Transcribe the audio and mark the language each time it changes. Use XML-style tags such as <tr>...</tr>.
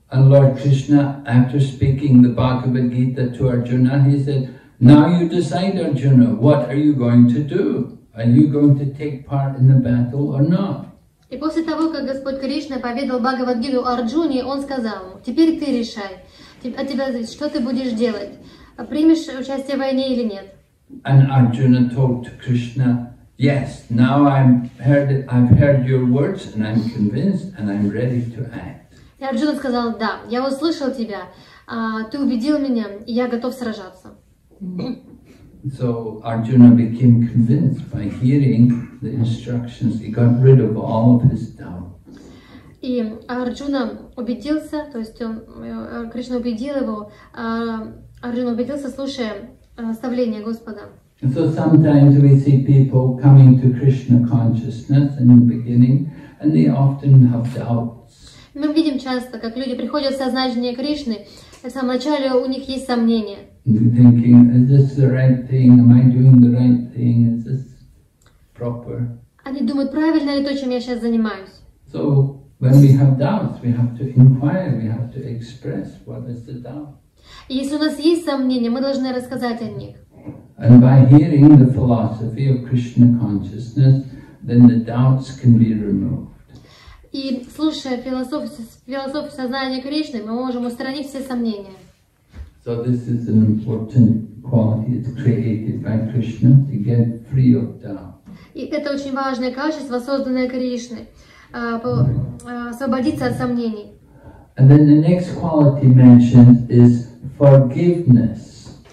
<en>And Lord Krishna, after speaking the Bhagavad Gita to Arjuna, he said, "Now you decide, Arjuna, what are you going to do? Are you going to take part in the battle or not?"</en> <ru>И после того, как Господь Кришна поведал Бхагавад Гиту Арджуне, он сказал ему: "Теперь ты решай. От тебя зависит, что ты будешь делать. Примешь участие в войне или нет?"</ru> <en>And Arjuna told to Krishna, "Yes, now I've heard your words and I'm convinced and I'm ready to act."</en> <ru>И Арджуна сказал: "Да, я услышал тебя. Ты убедил меня, и я готов сражаться."</ru> <en>So Arjuna became convinced by hearing the instructions. He got rid of all of his doubts.</en> <ru>И Арджуна убедился, то есть он, Кришна убедил его, Арджуна убедился, слушая наставление Господа.</ru> <en>So sometimes we see people coming to Krishna consciousness in the beginning, and they often have doubts.</en> <ru>Мы видим часто, как люди приходят в сознание Кришны, в самом начале у них есть сомнения.</ru> <en>Thinking, is this the right thing? Am I doing the right thing? Is this proper?</en> <ru>Они думают, правильно ли то, чем я сейчас занимаюсь.</ru> <en>So when we have doubts, we have to inquire, we have to express what is the doubt.</en> <ru>Если у нас есть сомнения, мы должны рассказать о них.</ru> <en>And by hearing the philosophy of Krishna consciousness, then the doubts can be removed.</en> <ru>И слушая философию сознания Кришны, мы можем устранить все сомнения.</ru> <en>So this is an important quality that's created by Krishna to get free of doubt.</en> <ru>И это очень важное качество, созданное Кришной, освободиться от сомнений.</ru> <en>And then the next quality mentioned is forgiveness.</en>